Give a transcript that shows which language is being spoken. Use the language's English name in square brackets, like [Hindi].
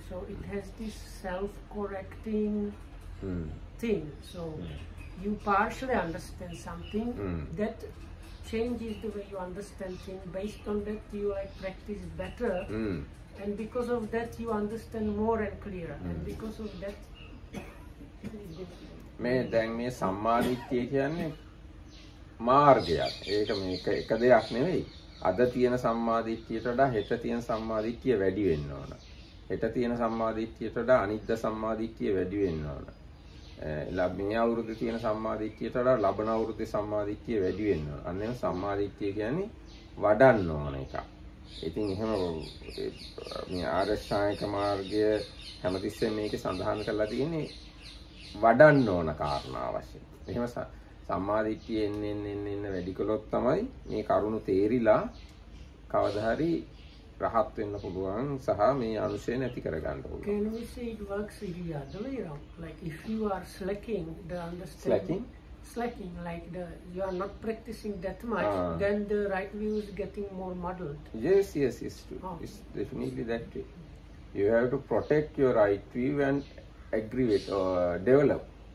[English] So it has this self-correcting thing. So you partially understand something that changes the way you understand things. Based on that, you like practice better. And because of that, you understand more and clearer. And because of that, [Sinhala] මේ දැන් මේ සම්මාදිට්ඨිය කියන්නේ මාර්ගයක්. ඒක මේක එක දෙයක් නෙවෙයි. අද තියෙන සම්මාදිට්ඨියට වඩා හෙට තියෙන සම්මාදිට්ඨිය වැඩි වෙන්න ඕන. හෙට තියෙන සම්මාදිට්ඨියට වඩා අනිද්දා සම්මාදිට්ඨිය වැඩි වෙන්න ඕන. ලැබෙන අවුරුද්ද තියෙන සම්මාදිට්ඨියට වඩා ලබන අවුරුද්දේ සම්මාදිට්ඨිය වැඩි වෙන්න ඕන. අන්න ඒ සම්මාදිට්ඨිය කියන්නේ වඩන්න ඕන එකක්. ඉතින් එහෙම මේ ආරෂ්ඨායක මාර්ගය හැමතිස්සෙම මේක සඳහන් කරලා තියෙන්නේ වඩන්න ඕන කාරණා වශයෙන්. එහෙම සම්මාදිට්ඨිය එන්න වැඩි කළොත් තමයි මේ කරුණු තේරිලා කවදා හරි රහත් වෙන්න පුළුවන් සහ මේ අනුශය නැති කර ගන්න පුළුවන්. [English] Can we say it works in the other way around? Like if you are slacking the understanding. Slacking, like the you are not practicing that much, then the right view is getting more muddled. Yes, yes, it's true. Oh. It's definitely that way. You have to protect your right view and aggravate or develop.